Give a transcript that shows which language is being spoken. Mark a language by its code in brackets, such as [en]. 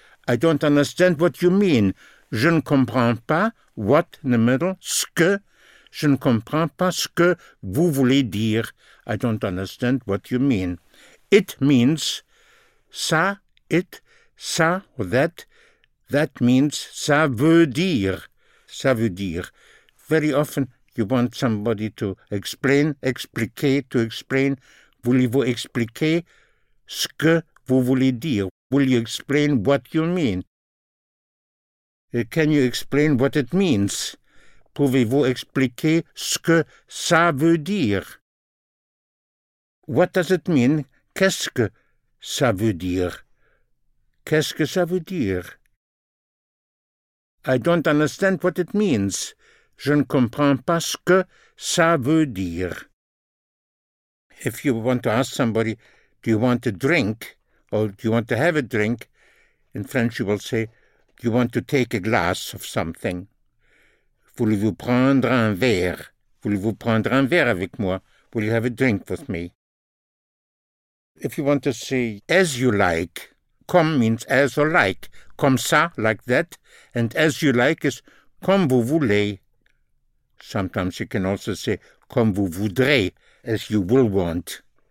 [en] I don't understand what you mean. [fr] Je ne comprends pas. [en] What in the middle? [fr] Ce que. Je ne comprends pas ce que vous voulez dire. [en] I don't understand what you mean. It means ça, it, ça, or that. That means [fr] ça veut dire. Ça veut dire. [en] Very often you want somebody to explain, expliquer, to explain. [fr] Voulez-vous expliquer ce que vous voulez dire? [en] Will you explain what you mean? Can you explain what it means? [fr] Pouvez-vous expliquer ce que ça veut dire? [en] What does it mean? [fr] Qu'est-ce que ça veut dire? Qu'est-ce que ça veut dire? [en] I don't understand what it means. [fr] Je ne comprends pas ce que ça veut dire. [en] If you want to ask somebody, do you want a drink? Or do you want to have a drink? In French, you will say, do you want to take a glass of something? [fr] Voulez-vous prendre un verre? Voulez-vous prendre un verre avec moi? [en] Will you have a drink with me? If you want to say, as you like, comme means as or like. [fr] Comme ça, [en] like that. And as you like is [fr] comme vous voulez. [en] Sometimes you can also say, [fr] comme vous voudrez, [en] as you will want.